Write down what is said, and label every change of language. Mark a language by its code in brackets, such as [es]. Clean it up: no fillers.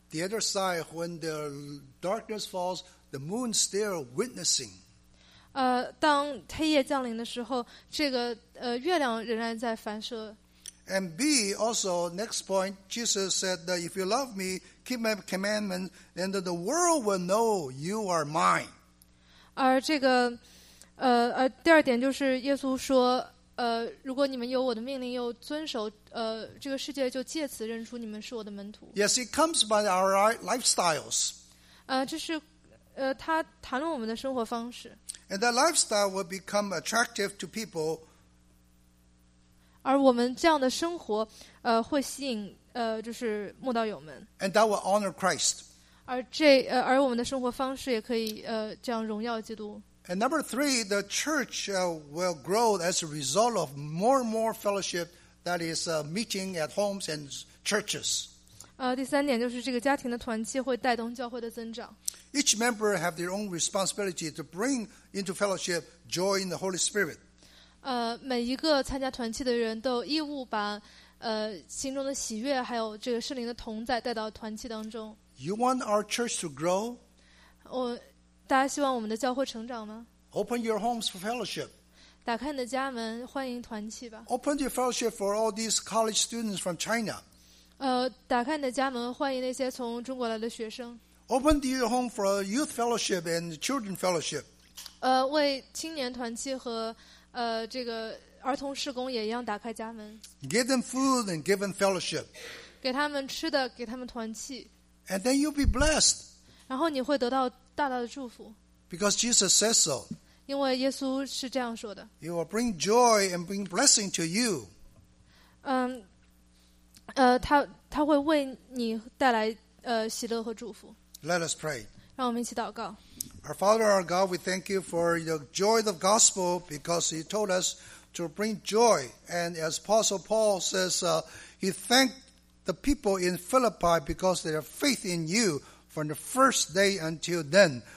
[en] The other side, when the darkness falls, the moon still witnessing. [zh] 当黑夜降临的时候，这个月亮仍然在反射。 [en] And B, also, next point, Jesus said that if you love me, keep my commandment, and the world will know you are mine. [zh] 而这个第二点就是耶稣说，如果你们有我的命令又遵守，这个世界就借此认出你们是我的门徒。 [en] Yes, it comes by our lifestyles. [zh] 这是他谈论我们的生活方式。 [en] And that lifestyle will become attractive to people [zh] 而我们这样的生活会吸引就是慕道友们。 [en] And that will honor Christ. [zh] 而我们的生活方式也可以这样荣耀基督。 [en] And number three, the church will grow as a result of more and more fellowship that is meeting at homes and churches. [zh] 第三点就是这个家庭的团契会带动教会的增长。 [en] Each member have their own responsibility to bring into fellowship joy in the Holy Spirit. [zh] 每一个参加团契的人都有义务把心中的喜悦还有这个圣灵的同在带到团契当中。 [en] You want our church to grow? [zh] 大家希望我们的教会成长吗？ [en] Open your homes for fellowship. [zh] 打开你的家门，欢迎团契吧。 [en] Open your fellowship for all these college students from China. [zh] 打开你的家门，欢迎那些从中国来的学生。 [en] Open your home for a youth fellowship and children fellowship. [zh] 为青年团契和这个儿童事工也一样打开家门。 [en] Give them food and give them fellowship. [zh] 给他们吃的，给他们团契。 [en] And then you'll be blessed. [zh] 然后你会得到大大的祝福。 [en] Because Jesus says so. [zh] 因为耶稣是这样说的。 [en] It will bring joy and bring blessing to you. [zh] 他会为你带来喜乐和祝福。 [en] Let us pray. [zh] 让我们一起祷告。 [en] Our Father, our God, we thank you for the joy of the gospel because you told us to bring joy. And as Apostle Paul says, he thanked the people in Philippi because their faith in you from the first day until then.